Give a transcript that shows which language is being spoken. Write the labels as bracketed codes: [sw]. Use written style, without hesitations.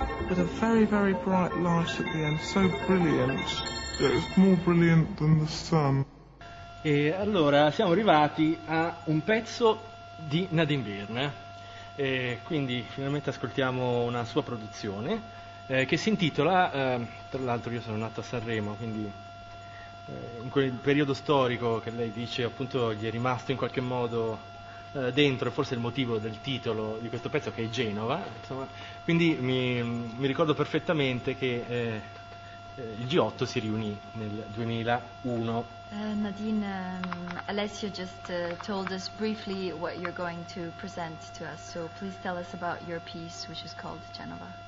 [en] with a very, very bright light at the end, so brilliant that it's more brilliant than the sun. [it] E allora siamo arrivati a un pezzo di Nadine Byrne, e quindi finalmente ascoltiamo una sua produzione che si intitola, tra l'altro io sono nato a Sanremo, quindi in quel periodo storico che lei dice appunto gli è rimasto in qualche modo dentro, forse il motivo del titolo di questo pezzo che è Genova, insomma, quindi mi ricordo perfettamente che il G8 si riunì nel 2001. [en] Nadine, Alessio just told us briefly what you're going to present to us, so please tell us about your piece which is called Genova.